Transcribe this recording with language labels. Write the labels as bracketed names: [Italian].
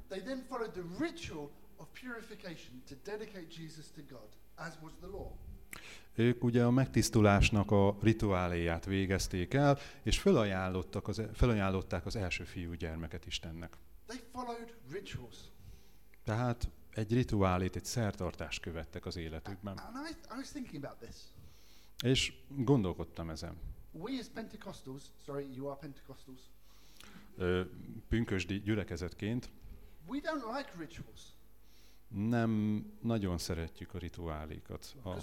[English] They then followed the ritual of purification to dedicate Jesus to God, as was the law. [Hungarian] Ők ugye a megtisztulásnak a rituáléját végezték el, és felajánlották az első fiú gyermeket Istennek. [English] They followed rituals. [Hungarian] Tehát egy rituálét, egy szertartást követtek az életükben. [English] And I was thinking about this. [Hungarian] És gondolkodtam ezen. [English] We as Pentecostals, sorry, you are Pentecostals. [Hungarian] Pünkösdi gyülekezetként. [English] We don't like rituals. [Hungarian] Nem nagyon szeretjük a rituálékat.